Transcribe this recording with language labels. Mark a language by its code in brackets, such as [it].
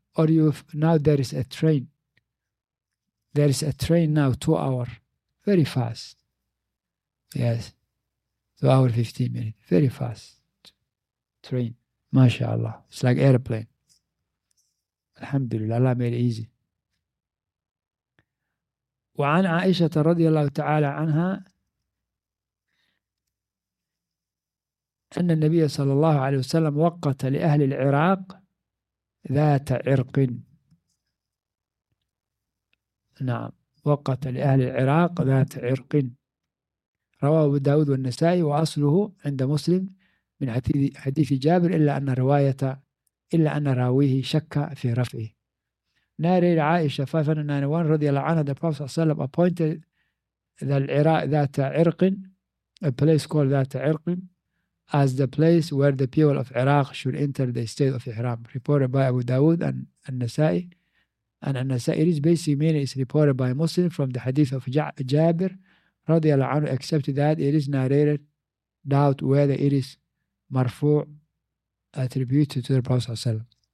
[en] Or you now there is a train. There is a train now, 2 hours, very fast. Yes, 2 hours, 15 minutes, very fast. Train, mashallah. It's like airplane. Alhamdulillah, Allah made it easy. [ar] وعن عائشة رضي الله تعالى عنها أن النبي صلى الله عليه وسلم وقت لأهل العراق ذات عرق. نعم، وقت لأهل العراق ذات عرق. رواه أبو داود والنسائي، وأصله عند مسلم من حديث جابر، إلا أن رواية إلا أن راويه شك في رفعه. [en] Narrated Aisha 591 radiallahu anha, the Prophet ﷺ appointed the Iraq that Irqin, a place called that Irqin, as the place where the people of Iraq should enter the state of Ihram. Reported by Abu Dawud and An-Nasa'i. And An-Nasa'i is basically meaning it's reported by Muslim from the hadith of Jabir radiallahu anhu, except that it is narrated, doubt whether it is marfu' attributed to the Prophet ﷺ.